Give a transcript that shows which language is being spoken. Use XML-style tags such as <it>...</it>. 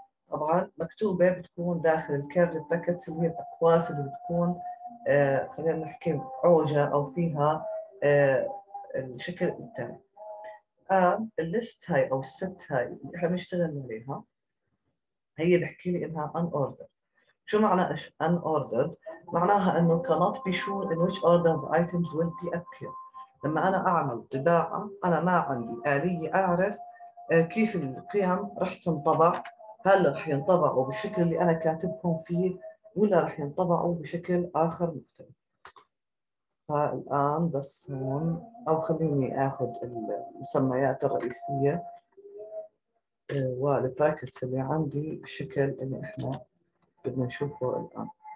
<ar>طبعاً مكتوبة بتكون داخل الكارت باكتس اللي هي الأقواس اللي بتكون خلينا نحكي عوجة أو فيها الشكل التالي. الليست هاي أو الست هاي اللي إحنا بنشتغل عليها هي بحكي لي إنها unordered. شو معنى unordered؟ معناها انه</ar> <en>cannot be sure in which order the items will be appear.</en> <ar>لما انا اعمل طباعه انا ما عندي اليه اعرف كيف القيم رح تنطبع، هل رح ينطبعوا بالشكل اللي انا كاتبهم فيه ولا رح ينطبعوا بشكل اخر مختلف. فالان بس هون او خليني اخذ المسميات الرئيسيه والباكتس اللي عندي بالشكل اللي احنا بدنا نشوفه الان.</ar>